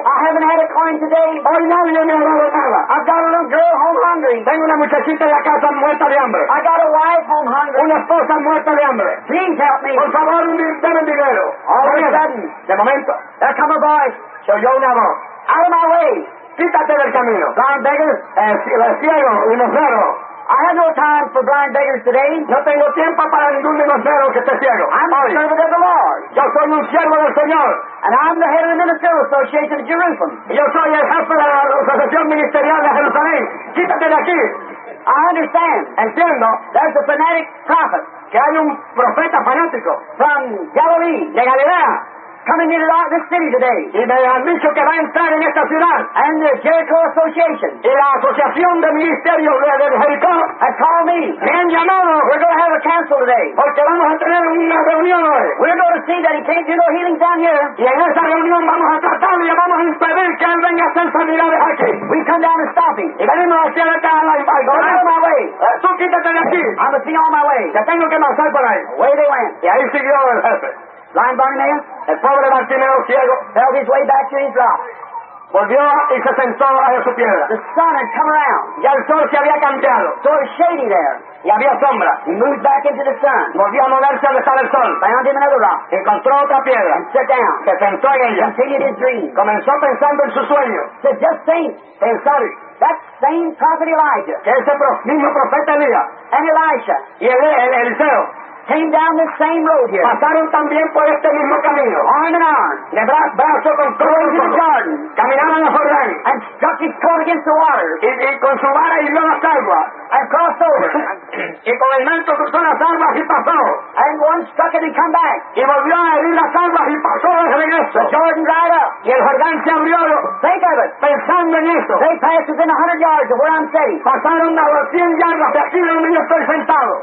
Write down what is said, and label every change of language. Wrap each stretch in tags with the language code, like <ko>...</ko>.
<en>I haven't had a coin today.</en> <es>Hoy no, yo no he dado nada.</es> <en>I've got a little girl home hungry.</en> <es>Tengo una muchachita en la casa muerta de hambre.</es> <en>I got a wife home hungry.</en> <es>Una esposa muerta de hambre.</es> <en>Please help me.</en> <es>Por favor, deme dinero.</es> <en>All of a sudden.</en> <es>De momento.</es> <en>There come a voice.</en> <es>Se oyó una voz.</es> <en>Out of my way.</en> <es>Quítate del camino.</es> <en>Blind beggar.</en> <es>Ciego, limosnero.</es> <en>I have no time for blind beggars today.</en> <es>No tengo tiempo para ningún limosnero que esté ciego.</es> <en>I'm a servant of the Lord.</en> <es>Yo soy un siervo del Señor.</es> <en>And I'm the head of the ministerial association of Jerusalem.</en> <es>Yo soy el jefe de la asociación ministerial de Jerusalén. Quítate de aquí.</es> <en>I understand.</en> <es>Entiendo.</es> <en>There's a fanatic prophet.</en> <es>Que hay un profeta fanático.</es> <en>From Galilee.</en> <es>De Galilea.</es> <en>Coming into this city today.</en> <es>Y me han dicho que va a entrar en esta ciudad.</es> <en>And the Jericho Association.</en> <es>Y la asociación de ministerios de Jericho.</es> <en>Has called me.</en> <es>Me han llamado.</es> <en>We're going to have a council today.</en> <es>Porque vamos a tener una reunión hoy.</es> <en>We're going to see that he can't do no healing down here.</en> <es>Y en esa reunión vamos a tratarlo y vamos a impedir que él venga a hacer sanidades aquí.</es> <en>We come down and stop him.</en> <es>Y venimos hacia acá a la</es> <en>embargada. Out of my way.</en> <es>Tú quítate de aquí.</es> <en>I'm going to see all my way.</en> <es>Ya tengo que marchar por ahí.</es> <en>Away they went.</en> <es>Y ahí siguió el jefe.</es> <en>Blind Bartimaeus,</en> <es>el pobre Bartimeo ciego,</es> <en>fell his way back to his rock.</en> <es>Volvió y se sentó a su piedra.</es> <en>The sun had come around.</en> <es>Ya el sol se había cambiado.</es> <en>So it was shady there.</en> <es>Y había sombra.</es> <en>He moved back into the sun.</en> <es>Volvió a moverse al estar el sol.</es> <en>Found him another rock.</en> <es>Encontró otra piedra.</es> <en>And sat down.</en> <es>Se sentó en ella.</es> <en>Continued his dream.</en> <es>Comenzó pensando en su sueño.</es> <en>Said, just think.</en> <es>Pensar.</es> <en>That same prophet Elijah.</en> <es>Que ese mismo profeta Elías.</es> <en>And Elisha.</en> <es>Y el Eliseo.</es> <en>Came down the same road here.</en> <es>Pasaron también por este mismo camino.</es> <en>Arm in arm.</en> <es>De brazo con todo el mundo. Garden. Caminaron a Jordán.</es> <en>And struck his coat against the water.</en> <es>Y con su vara hirió las aguas.</es> <en>And crossed over.</en> <es>Y con el manto cruzó las aguas y pasó.</es> <en>And one struck it and come back.</en> <es>Y volvió a herir las aguas y pasó de regreso.</es> <en>The Jordan dried up.</en> <es>Y el Jordán se abrió.</es> <en>Think of it.</en> <es>Pensando en eso.</es> <en>They passed within 100 yards of where I'm sitting.</en> <es>Pasaron a los 100 yardas de aquí donde yo estoy sentado.</es>